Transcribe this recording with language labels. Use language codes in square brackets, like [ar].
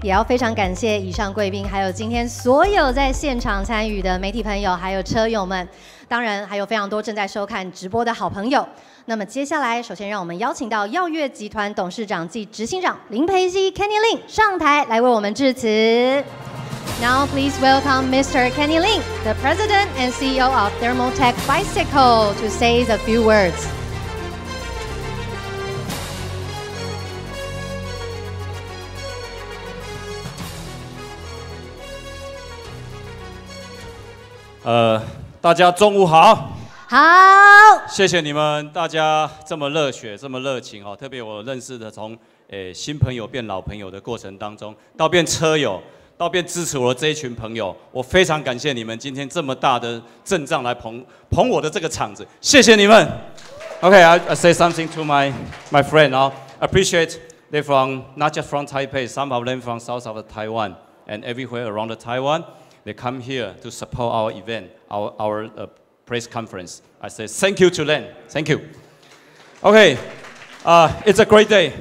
[zh] 也要非常感谢以上贵宾，还有今天所有在现场参与的媒体朋友，还有车友们，当然还有非常多正在收看直播的好朋友。那么接下来，首先让我们邀请到曜越集团董事长暨执行长林培基 Kenny Lin 上台来为我们致辞。 [en] Now please welcome Mr. Kenny Lin, the President and CEO of Thermaltake Bicycle, to say a few words. [zh] 大家中午好。好，谢谢你们，大家这么热血，这么热情哦。特别我认识的从，新朋友变老朋友的过程当中，到变车友，到变支持我的这一群朋友，我非常感谢你们今天这么大的阵仗来捧我的这个场子，谢谢你们。 [en] Okay, I say something to my friend. I appreciate they from not just from Taipei, some of them from south of Taiwan and everywhere around Taiwan. They come here to support our event, our press conference. I say thank you to them. Thank you. Okay, it's a great day.